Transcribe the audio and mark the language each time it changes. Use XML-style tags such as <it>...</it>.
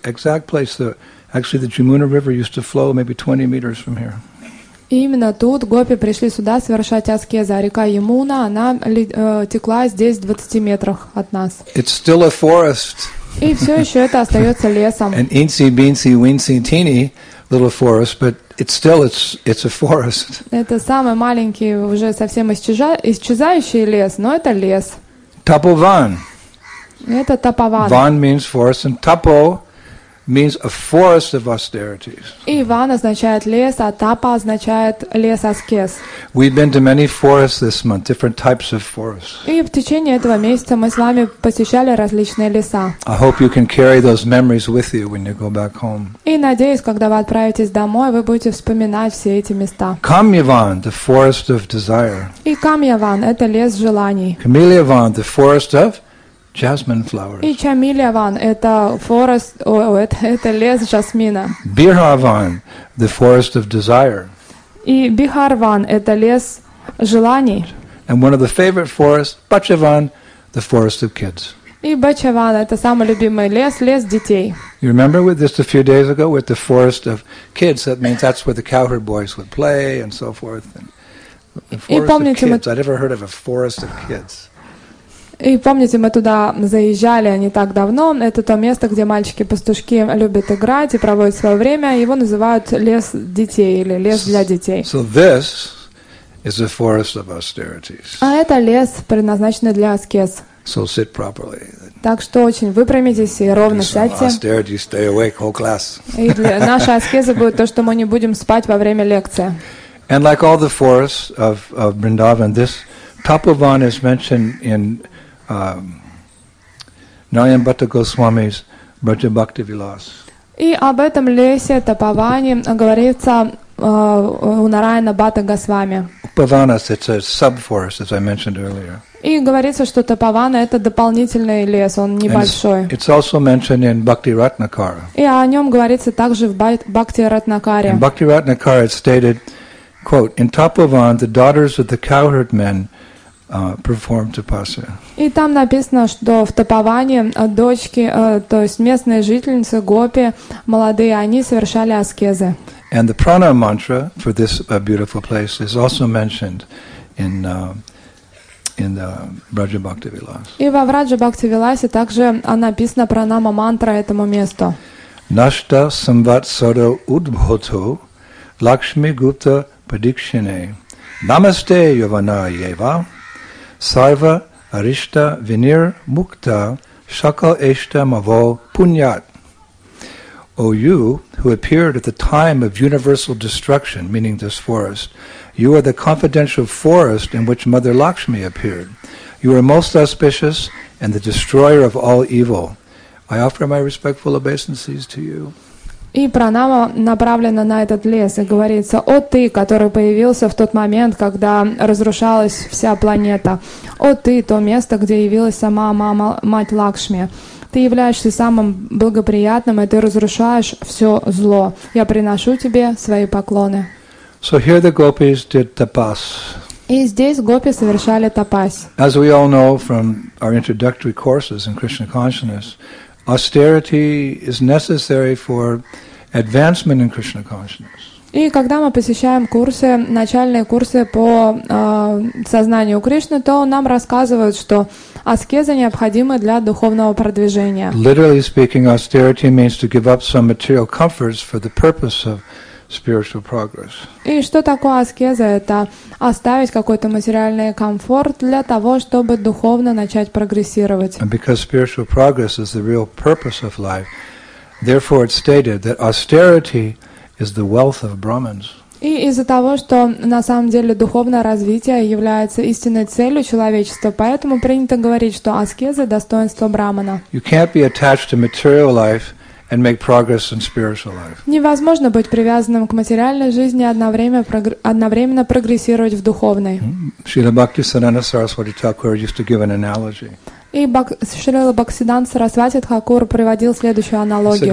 <en>Exact place. Actually, the Jamuna River used to flow maybe 20 meters from here.</en> <ru>И именно тут гопи пришли сюда совершать аскезу. Река Ямуна, она текла здесь в 20 метрах от нас.</ru> <en>It's still a forest.</en> <ru>И все еще это остается лесом.</ru> <en>An insy, beansy, weensy, teeny little forest, but it's still a forest.</en> <ru>Это самый маленький, уже совсем исчезающий лес, но это лес.</ru> <en>Tapovan.</en> <ru>Это Tapovan.</ru> <en>Van means forest, and Tapo means a forest of austerities.</en> <ru>Иван означает лес, а тапа означает лес аскез.</ru> <en>We've been to many forests this month, different types of forests.</en> <ru>И в течение этого месяца мы с вами посещали различные леса.</ru> <en>I hope you can carry those memories with you when you go back home.</en> <ru>И надеюсь, когда вы отправитесь домой, вы будете вспоминать все эти места.</ru> <en>Камьяван, the forest of desire.</en> <ru>И Камьяван — это лес желаний.</ru> <en>Камильяван, the forest of jasmine flowers.</en> <ru>И Чамильяван — это forest, это лес жасмина.</ru> <en>Бихарван — the forest of desire.</en> <ru>И Бихарван — это лес желаний.</ru> <en>And one of the favorite forests, Бачаван — the forest of kids.</en> <ru>И Бачаван — это самый любимый лес, лес детей.</ru> <en>You remember with this a few days ago with the forest of kids? That means that's where the cowherd boys would play and so forth. And the forest of kids. I'd never heard of a forest of kids.</en> <ru>И помните, мы туда заезжали не так давно. Это то место, где мальчики-пастушки любят играть и проводят свое время. Его называют лес детей или лес для детей.</ru> <en>So this is a forest of austerities.</en> <ru>А это лес, предназначенный для аскез.</ru> <en>So sit properly.</en> <ru>Так что очень выпрямитесь и ровно сядьте.</ru> <en>Austerity, stay awake, whole class.</en> <ru>И наша аскеза будет то, что мы не будем спать во время лекции.</ru> <en>And like all the forests of Vrindavan, this Tapovan is mentioned in Narayanabhatta Goswami's Braja Bhakti Vilas.</en> <ru>И об этом лесе Tapovan говорится у Нараяна-бхатта Госвами.</ru> <en>Upavanas, it's a sub-forest, as I mentioned earlier.</en> <ru>И говорится, что Tapovan — это дополнительный лес, он небольшой.</ru> <en>And it's also mentioned in Bhakti Ratnakara.</en> <ru>И о нем говорится также в Bhakti Ratnakara.</ru> <en>In Bhakti Ratnakara, it's stated, quote, in Tapovan, the daughters of the cowherd men perform tapasya.</en> <ru>И там написано, что в Tapovan'е дочки, то есть местные жительницы гопи, молодые, они совершали аскезы.</ru> <en>And the prana mantra for this beautiful place is also mentioned in the Braja Bhakti Vilas.</en> <ru>И во Враджа Бхакти Виласе также написана пранама мантра этому месту.</ru> <sa>Нашта самватсара удбхоту лакшми гупта падикшине намасте йована ева Сайва Аришта Винир Мукта Шакал Эшта Маво Пуньят.</sa> <en>O you who appeared at the time of universal destruction, meaning this forest, you are the confidential forest in which Mother Lakshmi appeared. You are most auspicious and the destroyer of all evil. I offer my respectful obeisances to you.</en> <ru>И пранама направлена на этот лес, и говорится: «О ты, который появился в тот момент, когда разрушалась вся планета! О ты, то место, где явилась сама мать Лакшми! Ты являешься самым благоприятным, и ты разрушаешь все зло! Я приношу тебе свои поклоны!»</ru> <en>So here the gopis did tapas.</en> <ru>И здесь гопи совершали тапас.</ru> <en>As we all know from our introductory courses in Krishna consciousness, austerity is necessary for advancement in Krishna consciousness.</en> <ru>И когда мы посещаем курсы, начальные курсы по сознанию Кришны, то нам рассказывают, что аскеза необходима для духовного продвижения.</ru> <en>Literally speaking, austerity means to give up some material comforts for the purpose of spiritual progress.</en> <ru>И что такое аскеза? Это оставить какой-то материальный комфорт для того, чтобы духовно начать прогрессировать.</ru> <en>And because spiritual progress is the real purpose of life, therefore it's stated that austerity is the wealth of Brahmins.</en> <ru>И из-за того, что на самом деле духовное развитие является истинной целью человечества, поэтому принято говорить, что аскеза — достоинство брахмана.</ru> <en>You can't be attached to material life and make progress in spiritual life.</en> <ru>Невозможно быть привязанным к материальной жизни одновременно прогрессировать в духовной.</ru> <en>Śrīla Bhaktisiddhānta Saraswati Thakura used to give an analogy.</en> <ru>И Шрила Бхактисиддханта Сарасвати Тхакур приводил следующую аналогию.</ru>